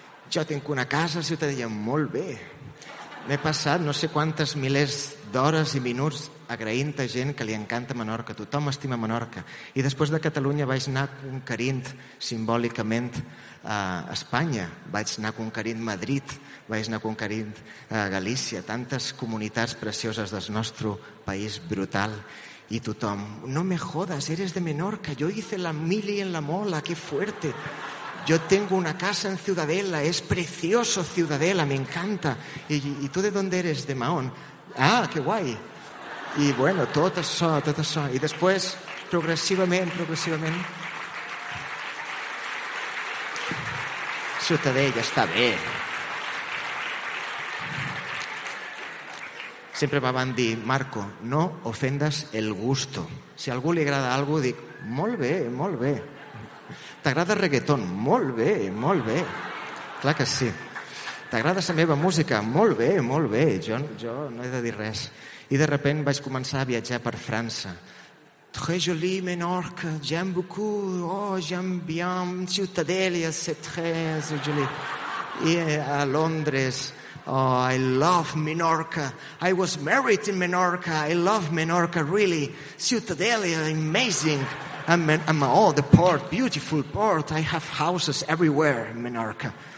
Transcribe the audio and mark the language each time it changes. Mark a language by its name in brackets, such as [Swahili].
[Catalan] Jo tinc una casa a Ciutadella, molt bé. M'he passat no sé quantes milers d'hores i minuts agraint a gent que li encanta Menorca, tothom estima Menorca. I després de Catalunya vaig anar conquerint simbòlicament Espanya, vaig anar conquerint Madrid, vaig anar conquerint Galícia, tantes comunitats precioses del nostre país brutal. I tothom, [Spanish] no me jodas, eres de Menorca, yo hice la mili en la mola, qué fuerte. Yo tengo una casa en Ciudadela, es precioso Ciudadela, me encanta. ¿Y tú de dónde eres? De Mahón. Ah, qué guay. Y bueno, todo eso, todo eso. Y después, progresivamente... Ciutadella está bien. Siempre me van a decir, Marco, no ofendas el gusto. Si a alguien le agrada algo, digo, [Catalan] molt bé, molt bé. T'agrada reggaetón? Molt bé, molt bé. Clar que sí. T'agrada la meva música? Molt bé, molt bé. Jo no he de dir res. I [Spanish] de repente [Catalan] vaig començar a viatjar per França. [French] Très joli, Menorca, j'aime beaucoup, oh, j'aime bien, Ciutadella, c'est très joli. [Catalan] I a Londres, [English] oh, I love Menorca, I was married in Menorca, I love Menorca, really, Ciutadella, amazing. I'm all the port, beautiful port. I have houses everywhere in Menorca.